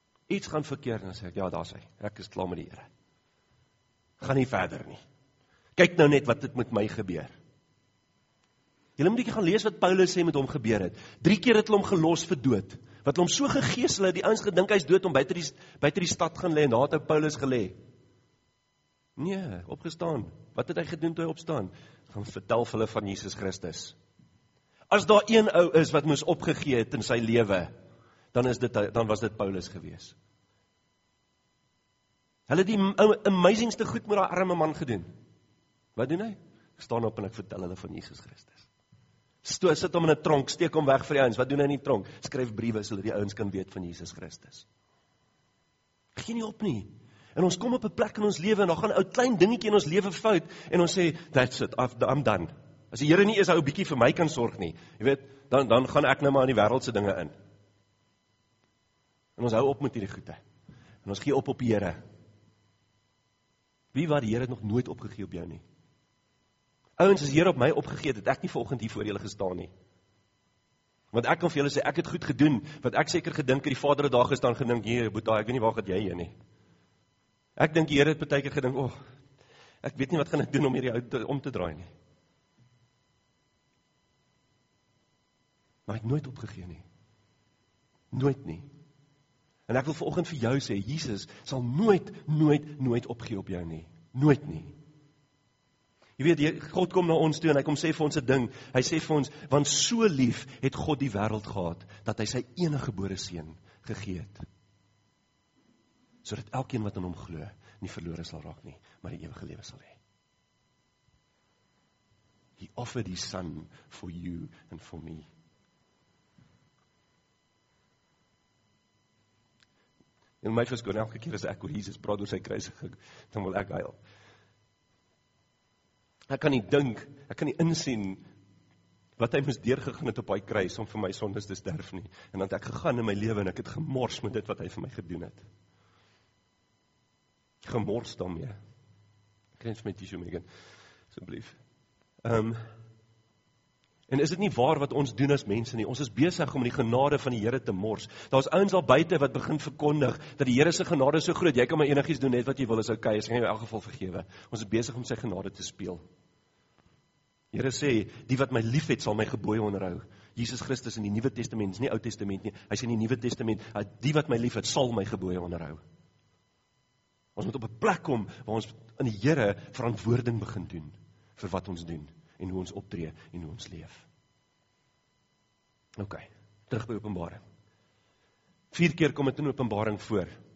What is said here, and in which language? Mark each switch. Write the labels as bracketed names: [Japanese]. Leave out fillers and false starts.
[Afrikaans] Iets gaan verkeerd en sê ek, ja, daar's hy. Ek is klaar met die Here. Gaan nie verder nie. Kyk nou net wat dit met my gebeur. Julle moet net gaan lees wat Paulus sê met hom gebeur het. 3 keer het hulle hom gelos vir dood. Wat hulle hom so gegeesel het, die ouens gedink hy's dood om buite die stad gaan lê en daar het Paulus gelê. Nee, opgestaan. Wat het hy gedoen toe hy opstaan? Gaan vertel vir hulle van Jesus Christus. As daar een ou is wat moes opgegee het in sy lewe, dan was dit Paulus gewees. Hulle het die amazingste goed met daai arme man gedoen. Wat doen hy? Staan op en ek vertel hulle van Jesus Christus. Sit hom in 'n tronk, steek hom weg vir die ouens. Wat doen hy in die tronk? Skryf briewe sodat die ouens kan weet van Jesus Christus. Gee nie op nie. En ons kom op 'n plek in ons lewe en daar gaan 'n ou klein dingetjie in ons lewe fout en ons sê [English] that's it, I'm done. [Afrikaans] As die Here nie eers ou bietjie vir my kan sorg nie, jy weet, dan gaan ek nou maar in die wêreldse dinge in. En ons hou op met hierdie goeie. En ons gee op die Here. Wie wat die Here nog nooit opgegee op jou nie. Ouens, as die Here op my opgegee het, ek nie vanoggend hier voor julle gestaan nie. Want ek kan vir julle sê ek het goed gedoen, wat ek seker gedink het die Vader het daar gestaan gedink, "Hier, Boeta, ek weet nie waar gaan jy heen nie." Ek dink die Here het partykeer gedink, "O, ek weet nie wat gaan ek doen om hierdie ou om te draai nie." Maar ek het nooit opgegee nie. Nooit nie. En ek wil vanoggend vir jou sê, Jesus sal nooit, nooit, nooit opgee op jou nie. Nooit nie. Jy weet, God kom na ons toe en hy kom sê vir ons 'n ding. Hy sê vir ons, "Want so lief het God die wêreld gehad dat hy sy enige gebore seun gegee het." Sodat elkeen wat in hom glo, nie verlore sal raak nie, maar die ewige lewe sal hê. [English] He offered his son for you and for me. [Afrikaans] En my verskoon, elke keer as ek oor Jesus praat oor sy kruisiging, dan wil ek huil. Ek kan nie dink, ek kan nie insien wat hy mis deurgegaan het op hy kruis om vir my sondes te sterf nie. En dan het ek gegaan in my lewe en ek het gemors met dit wat hy vir my gedoen het. Gemors daarmee. Ek rens my tissue, Megan, asseblief. En is dit nie waar wat ons doen as mense nie? Ons is besig om die genade van die Here te mors. Daar is ouens al buite wat begin verkondig dat die Here se genade so groot, jy kan maar enigies doen net wat jy wil, is okay, as jy in elk geval vergewe. Ons is besig om sy genade te speel. Die Here sê, die wat my lief het, sal my gebooie onderhou. Jesus Christus in die Nuwe Testament, is nie Oud Testament nie, hy sê in die Nuwe Testament, die wat my lief het, sal my gebooie onderhou. Ons moet op 'n plek kom, waar ons in die Here verantwoording begin doen, vir wat ons doen. En hoe ons optree, en hoe ons leef. Ok, terug by openbaring. 4 keer kom het in openbaring voor.